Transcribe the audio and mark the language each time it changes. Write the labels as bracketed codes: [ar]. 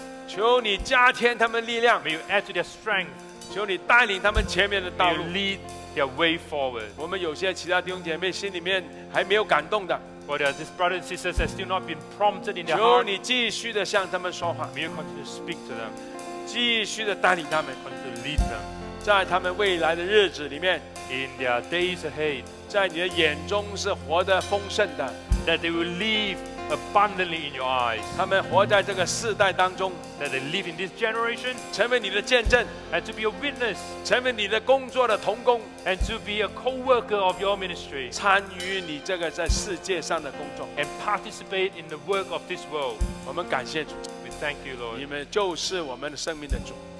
[zh] 求你加添他们力量。 [en] May you add to their strength. [zh] 求你带领他们前面的道路。 [en] May you lead their way forward. [zh] 我们有些其他弟兄姐妹心里面还没有感动的。 [en] But there are these brothers and sisters that still not been prompted in their heart. [zh] 求你继续的向他们说话。 [en] May you continue to speak to them. [zh] 继续的带领他们。 [en] Continue to lead them. [zh] 在他们未来的日子里面。 [en] In their days ahead. [zh] 在你的眼中是活得丰盛的。 [en] That they will live. Abundantly in your eyes, [zh] 他们活在这个世代当中 [en] that they live in this generation, [zh] 成为你的见证 [en] and to be a witness, [zh] 成为你的工作的同工 [en] and to be a co-worker of your ministry, [zh] 参与你这个在世界上的工作 [en] and participate in the work of this world. [zh] 我们感谢主 [en] we thank you, Lord. [zh] 你们就是我们的生命的主